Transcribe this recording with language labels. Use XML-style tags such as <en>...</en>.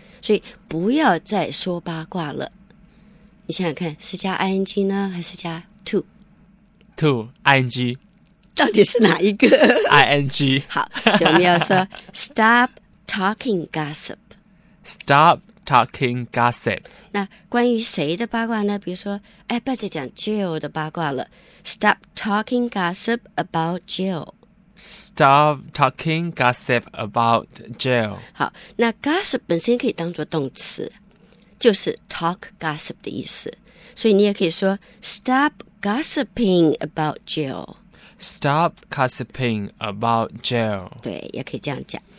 <zh>所以不要再说八卦了，你想想看是加 ing 呢还是加 to？</zh> <en>To ing，</en> <zh>到底是哪一个？ ing。好，所以我们要说</zh> <en>stop talking gossip， stop talking gossip。</en> <zh>那关于谁的八卦呢？比如说不要再讲 Jill 的八卦了，</zh> <en>stop talking gossip about Jill， stop talking gossip about Jill。</en> <zh>好，那 gossip 本身可以当作动词，就是</zh> <en>talk gossip</en> <zh>的意思，所以你也可以说</zh> <en>stop gossiping about Jill， stop gossiping about Jill。</en> <zh>对，也可以这样讲。</zh>